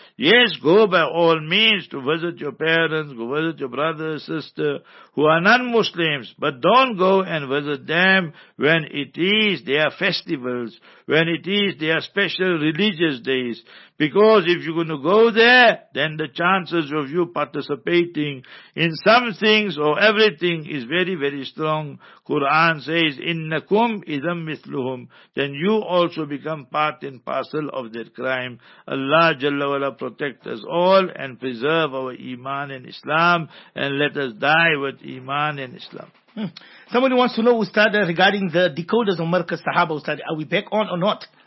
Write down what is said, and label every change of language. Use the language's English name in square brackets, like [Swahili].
[English] Yes, go by all means to visit your parents, go visit your brother or sister who are non-Muslims, but don't go and visit them when it is their festivals, when it is their special religious days. Because if you're going to go there, then the chances of you participating in some things or everything is very, very strong. Quran says, [Arabic] إِنَّكُمْ إِذَمْ مِثْلُهُمْ. [English] Then you also become part and parcel of their crime. Allah Jalla Wala protect us all and preserve our Iman and Islam, and let us die with Iman and Islam. Somebody wants to know, Ustad, regarding the decoders of Marqas Sahaba, Ustad, are we back on or not?